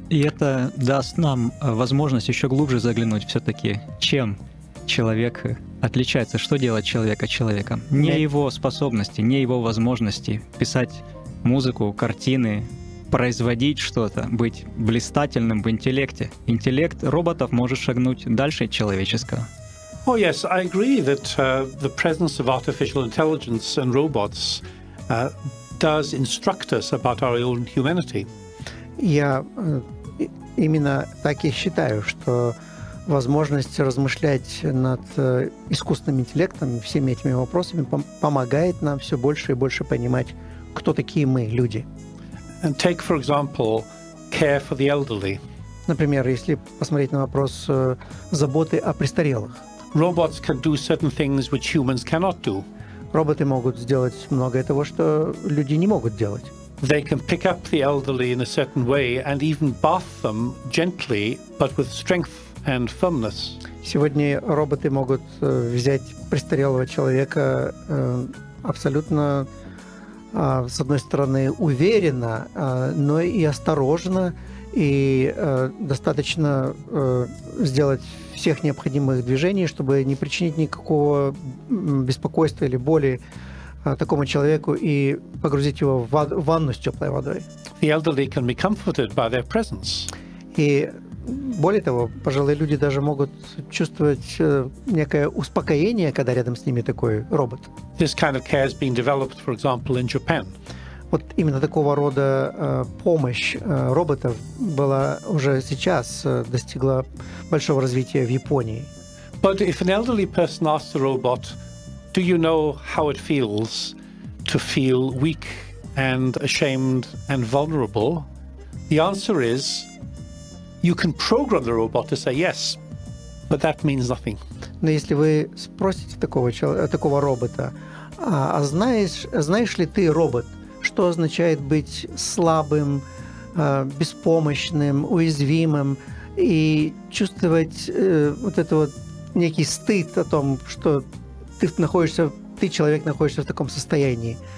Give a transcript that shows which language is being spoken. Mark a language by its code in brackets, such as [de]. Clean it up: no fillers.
[ru] И это даст нам возможность еще глубже заглянуть все-таки, чем человек отличается, что делает человека человеком. Не его способности, не его возможности писать музыку, картины, производить что-то, быть блистательным в интеллекте. Интеллект роботов может шагнуть дальше человеческого. [en] Oh yes, I agree that the presence of artificial intelligence and robots does instruct us about our own humanity. [ru] Я именно так и считаю, что возможность размышлять над искусственным интеллектом и всеми этими вопросами помогает нам все больше и больше понимать, кто такие мы, люди. [en] And take, for example, care for the elderly. [ru] Например, если посмотреть на вопрос заботы о престарелых. [en] Robots can do certain things which humans cannot do. [ru] Роботы могут сделать многое того, что люди не могут делать. [en] They can pick up the elderly in a certain way and even bath them gently, but with strength and firmness. [ru] Сегодня роботы могут взять престарелого человека абсолютно, с одной стороны, уверенно, но и осторожно, и достаточно сделать всех необходимых движений, чтобы не причинить никакого беспокойства или боли такому человеку и погрузить его в ванну с теплой водой. [en] The elderly can be comforted by their presence. [ru] И более того, пожилые люди даже могут чувствовать некое успокоение, когда рядом с ними такой робот. [en] This kind of care has been developed, for example, in Japan. [ru] Вот именно такого рода помощь роботов была уже сейчас достигла большого развития в Японии. [en] But if an elderly person asks the robot, do you know how it feels to feel weak and ashamed and vulnerable? The answer is, you can program the robot to say yes, but that means nothing. [ru] Но если вы спросите такого робота, Знаешь ли ты, робот, что означает быть слабым, беспомощным, уязвимым и чувствовать вот это вот некий стыд о том, что ты, человек, находишься в таком состоянии?